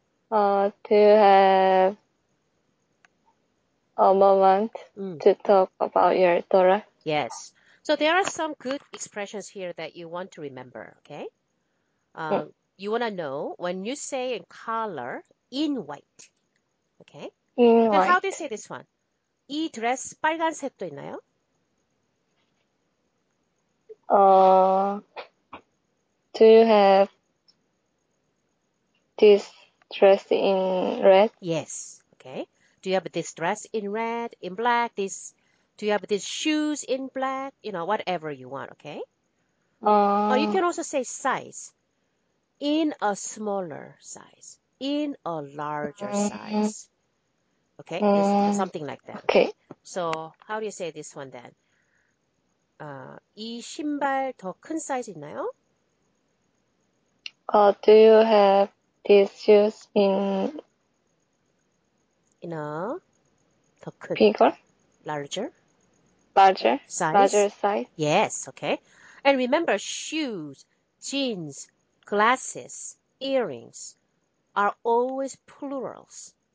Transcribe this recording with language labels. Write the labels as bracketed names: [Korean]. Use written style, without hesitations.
[English] Do you have a moment to talk about your daughter? Yes. So there are some good expressions here that you want to remember, okay? You want to know when you say in color, in white. Okay? In white. How do you say this one? [Korean] 이 드레스 빨간 색도 있나요? [English] Do you have this dress in red? Yes. Okay. Do you have this dress in red, in black? This? Do you have these shoes in black? You know, whatever you want. Okay. Or you can also say size. In a smaller size. In a larger size. Okay. Something like that. Okay. So how do you say this one then? [Korean] 이 신발 더 큰 사이즈 있나요? [English] Do you have these shoes in... In a... [Korean] 더 큰... [English] Bigger? Larger? Larger? Size? Larger size? Yes, okay. And remember, shoes, jeans, glasses, earrings are always plurals.